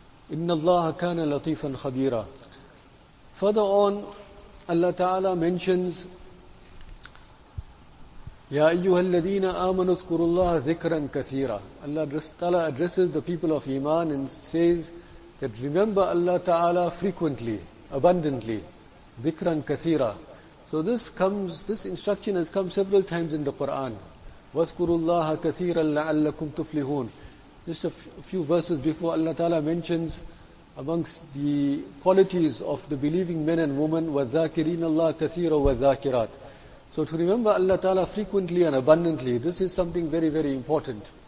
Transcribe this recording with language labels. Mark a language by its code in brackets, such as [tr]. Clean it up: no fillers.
[ar] Inna Allaha kana latifan khabira. [en] Further on, Allah Ta'ala mentions, [ar] Ya ayyuhal ladhina amanu zkurullaha dhikran kathira. [en] Allah Ta'ala addresses the people of Iman and says that remember Allah Ta'ala frequently, abundantly, dhikran kathira. So this instruction has come several times in the Quran. [ar] واذكروا الله كثيرا لعلكم تفلحون. [en] Just a few verses before, Allah Ta'ala mentions amongst the qualities of the believing men and women, [ar] وَذَاكِرِينَ اللَّهَ كَثِيرًا وَذَاكِرَاتٍ. [en] So to remember Allah Ta'ala frequently and abundantly, this is something very, very important.